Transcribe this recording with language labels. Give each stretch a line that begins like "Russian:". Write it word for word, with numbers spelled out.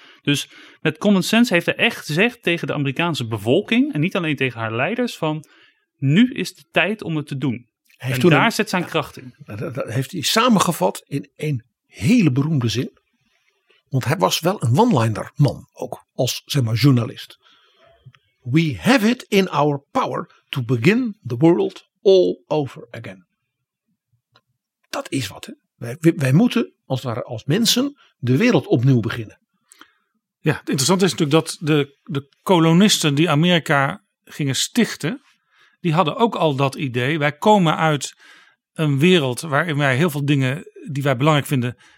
Dutch: Dus met common sense heeft hij echt gezegd tegen de Amerikaanse bevolking, en niet alleen tegen haar leiders, van nu is de tijd om het te doen. Hij heeft en daar een, zet zijn kracht in. Dat, dat heeft hij samengevat in één hele beroemde zin. Want hij was wel een one-liner man ook, als zeg maar journalist.
English: We have it in our power to begin the world all over again.
Dutch: Dat is wat. Hè? Wij, wij moeten als het ware als mensen de wereld opnieuw beginnen. Ja, het interessante is natuurlijk dat de, de kolonisten die Amerika gingen stichten, die hadden ook al dat idee. Wij komen uit een wereld waarin wij heel veel dingen die wij belangrijk vinden